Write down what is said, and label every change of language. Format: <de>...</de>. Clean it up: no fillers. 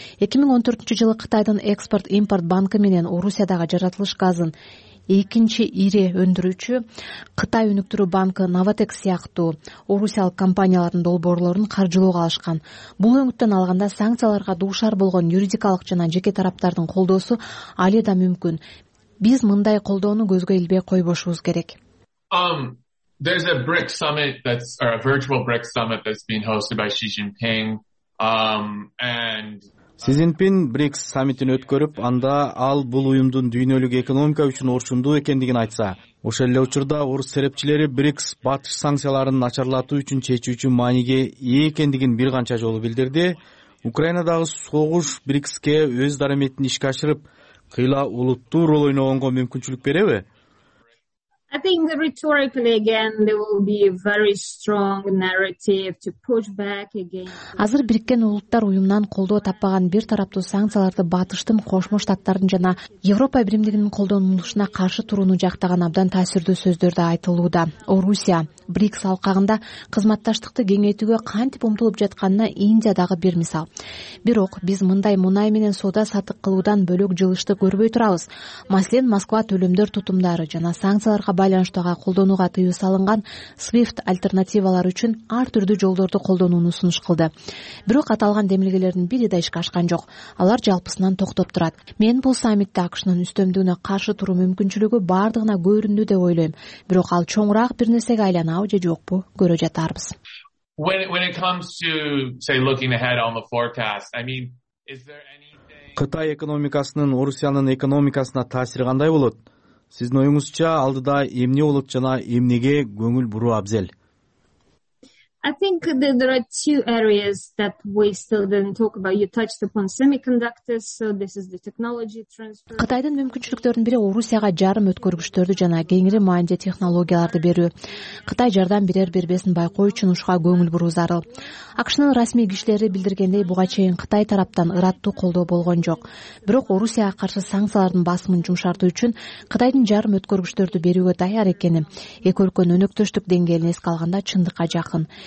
<ky>2014 жылы Кытайдын экспорт-импорт банкы менен Орусиядагы жаратылыш газын экинчи ири өндүрүүчү Кытай өнүктүрүү банкы Новатек сыяктуу орусиялык компаниялардын долбоорлорун каржылоого алышкан. Бул өнүктөн алганда санкцияларга дуушар болгон юридикалык жана жеке тараптардын колдоосу али да мүмкүн. Биз мындай колдоону көзгө илбей койбошубуз керек.</ky> <en>There's a BRICS summit that's or a virtual BRICS summit that's being hosted by Xi Jinping and</en> <ky>Xi Jinping BRICS summitin ötkörüp anda al bul uyumdun dünyalık ekonomika üçün orşunduu ekendigin aytsa. Ошол эле учурда орус серепчилери БРИКС батыш санкцияларын начарлатуу үчүн чечүүчү мааниге ээ экендигин бир канча жолу билдирди. Украинадагы согуш БРИКСке өз дараметин ишке ашырып, кыйла улуттуу рол ойногонго мүмкүнчүлүк береби?</ky> <en>I think rhetorically again there will be a very strong narrative to push back against.</en> <ky>Азыр Бириккен Улуттар Уюмунан колдоо таппаган бир тараптуу санкцияларды батыштын Кошмо Штаттардын жана Европа биримдигинин колдонулушуна каршы турууну жактаган абдан таасирдүү сөздөрдү айтылууда. Орусия БРИКС алкагында кызматташтыкты кеңейтүүгө кантип умтулуп жатканына Индия дагы бир мисал. Бирок биз мындай мунай менен соода сатык кылуудан бөлөк жылышты көрбөй турабыз. Маселен, Москва төлөмдөр тутумдары жана санкциялар байланыштууга колдонууга тыюу салынган SWIFT альтернативалары үчүн ар түрдүү жолдорду колдонууну сунуш кылды. Бирок аталган демилгелердин бири да ишке ашкан жок. Алар жалпысынан токтоп турат. Мен бул саммитте АКШнын үстөмдүгүнө каршы туруу мүмкүнчүлүгү бардыгына көрүндү деп ойлойм. Бирок ал чоңураак бир нерсеге айланабы же жокпу көрө жатарбыз.</ky> <en>When it comes to say looking ahead on the forecast, is there anything</en> <ky>Кытай экономикасынын Орусиянын экономикасына таасири кандай болот? Сиздин оюңузча алдыда эмне болот жана эмнеге көңүл буруу абзел?</ky> <en>I think that there are two areas that we still didn't talk about. You touched upon semiconductors, so this is the technology transfer.</en> <ky>Кытайдын мүмкүнчүлүктөрүн бири Орусияга жарым өткөргүчтөрдү жана кеңири маанилде технологияларды берүү. Кытай жардам берер бербесин байкоо үчүн ушуга көңүл буруу зарыл. АКШнын расмий кишилери билдиргендей, буга чейин Кытай тараптан ыраттуу колдоо болгон жок. Бирок Орусияга каршы санкциялардын басымын жумшартуу үчүн Кытайдын жарым өткөргүчтөрдү берүүгө даяр экени эки өлкөнүн өнөктөштүк деңгээлин эске алганда чындыкка жакын.</ky>